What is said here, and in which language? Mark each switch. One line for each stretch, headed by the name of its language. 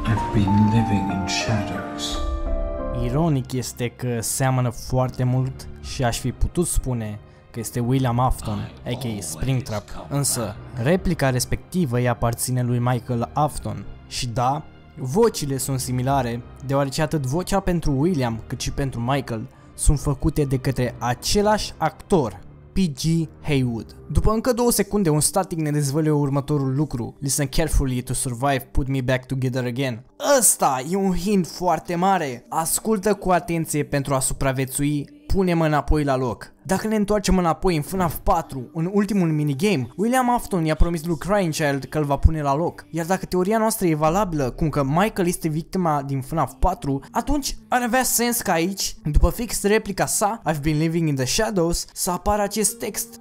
English: I've been living in shadows.
Romanian: Ironic este că seamănă foarte mult și aș fi putut spune că este William Afton, a.k.a. Springtrap. Însă, replica respectivă îi aparține lui Michael Afton. Și da, vocile sunt similare, deoarece atât vocea pentru William cât și pentru Michael sunt făcute de către același actor, P.G. Haywood. După încă 2 secunde, un static ne dezvăluie următorul lucru.
English: Listen carefully to survive, put me back together again.
Romanian: Ăsta e un hint foarte mare. Ascultă cu atenție pentru a supraviețui, pune-mă înapoi la loc. Dacă ne întoarcem înapoi în FNAF 4, în ultimul minigame, William Afton i-a promis lui Crying Child că îl va pune la loc. Iar dacă teoria noastră e valabilă, cum că Michael este victima din FNAF 4, atunci ar avea sens ca aici, după fix replica sa,
English: I've been living in the shadows,
Romanian: să apară acest text.